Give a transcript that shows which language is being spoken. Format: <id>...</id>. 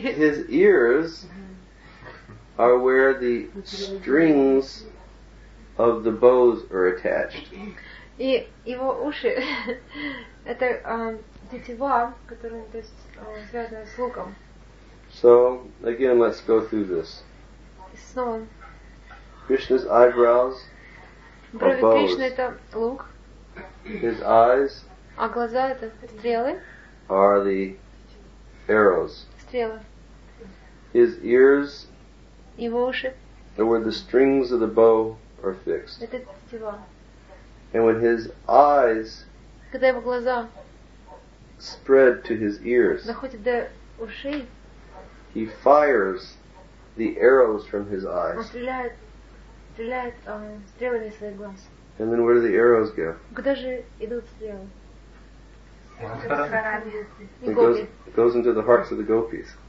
<en>His ears are where the strings of the bows are attached.</en> <ru>И его уши это тетива, которая, то есть, связана с луком.</ru> <en>So again, let's go through this. So, Krishna's eyebrows are bows.</en> <ru>Брови Кришны это лук.</ru> <en>His eyes.</en> <ru>А глаза это стрелы.</ru> <en>Are the arrows.</en> <ru>Стрелы.</ru> <en>His ears.</en> <ru>Его уши.</ru> <en>Are where the strings of the bow are fixed.</en> <ru>Это тетива.</ru> <en>And when his eyes.</en> <ru>Когда его глаза.</ru> <en>Spread to his ears.</en> <ru>Доходят до ушей.</ru> <en>He fires the arrows from his eyes.</en> <ru>Он стреляет, стреляет стрелами из своих глаз.</ru> <en>And then where do the arrows go?</en> <ru>Куда же идут стрелы?</ru> <en>It goes into the hearts of the gopis.</en>